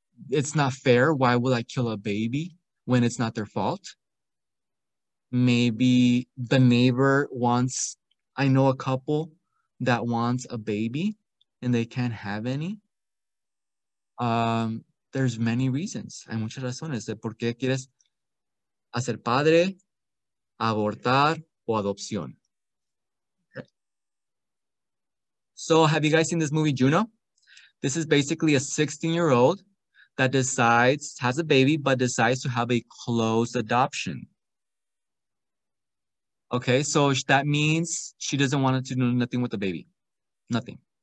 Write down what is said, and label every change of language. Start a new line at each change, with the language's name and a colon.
English: It's not fair. Why will I kill a baby when it's not their fault? Maybe the neighbor wants, I know a couple that wants a baby and they can't have any. There's many reasons.
Spanish: Hay muchas razones de por qué quieres hacer padre, abortar, o adopción.
English: Okay. So, have you guys seen this movie, Juno? This is basically a 16-year-old that decides, has a baby, but decides to have a closed adoption. Okay, so that means she doesn't want to do nothing with the baby. Nothing.